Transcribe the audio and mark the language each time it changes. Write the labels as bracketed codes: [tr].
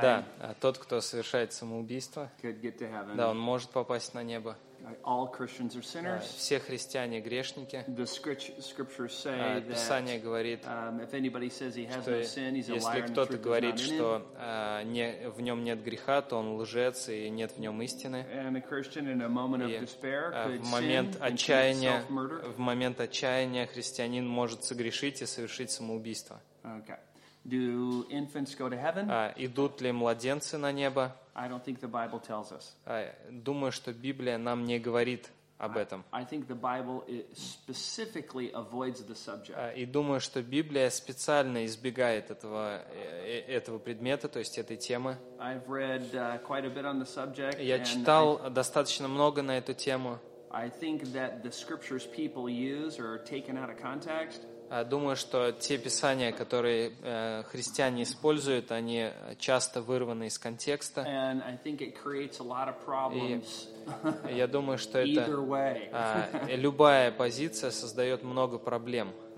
[ru] Да, тот, кто совершает самоубийство. [en] Could get to heaven. [ru] Да, он может попасть на небо. [en] All Christians are sinners. [ru] Все христиане грешники. [en] The scriptures say that. [ru] Писание говорит, [en] if anybody says he has no sin, he's a liar and truth is not in him. [ru] Если кто-то говорит, что в нем нет греха, то он лжец и нет в нем истины. [en] And a Christian in a moment of despair could sin and commit self-murder. [ru] В момент отчаяния христианин может согрешить и совершить самоубийство. [en] Okay. Do infants go to heaven? [ru] Идут ли младенцы на небо? [en] I don't think the Bible tells us. [ru] Думаю, что Библия нам не говорит об этом. [en] I think the Bible specifically avoids the subject. [ru] И думаю, что Библия специально избегает этого предмета, то есть этой темы. [en] I've read quite a bit on the subject. [ru] Я читал достаточно много на эту тему. [en] I think that the scriptures people use are taken out of context. [ru] Думаю, что те писания, которые христиане используют, они часто вырваны из контекста. И я думаю, что это любая позиция создает много проблем.